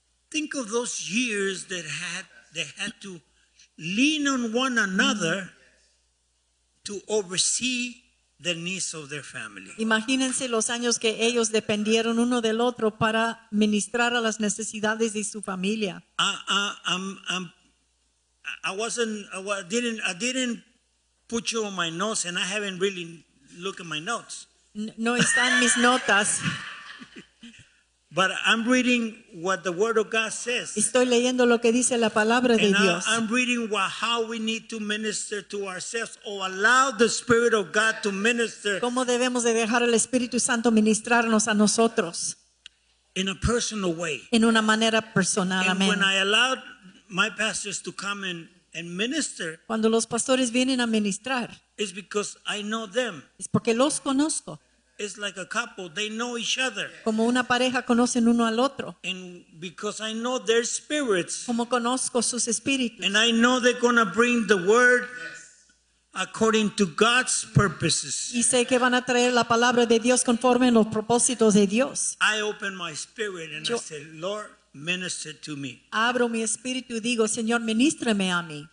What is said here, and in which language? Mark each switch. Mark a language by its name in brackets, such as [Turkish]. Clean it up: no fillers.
[English] Think of those years that they had to lean on one another to oversee the needs of their family. [Spanish] Imagínense los años que ellos dependieron uno del otro para ministrar a las necesidades de su familia. [English] I'm I didn't put you on my notes, and I haven't really looked at my notes. [Spanish] No están mis notas. [English] But I'm reading what the Word of God says. [Spanish] Estoy leyendo lo que dice la palabra de Dios. [English] I'm reading how we need to minister to ourselves or allow the Spirit of God to minister. [Spanish] ¿Cómo debemos de dejar el Espíritu Santo ministrarnos a nosotros? [English] In a personal way. [Spanish] En una manera personal. [English] And when I allowed my pastors to come and minister, [Spanish] cuando los pastores vienen a ministrar, [English] it's because I know them. [Spanish] Es porque los conozco. [English] It's like a couple, they know each other. [Spanish] Como una pareja conocen uno al otro. [English] And because I know their spirits. [Spanish] Como conozco sus espíritus. [English] And I know they're going to bring the word according to God's purposes. [Spanish] Y sé que van a traer la palabra de Dios conforme a los propósitos de Dios. [English] I open my spirit and I say, Lord, minister to me. [Spanish] Abro mi espíritu y digo, Señor, ministreme a mí.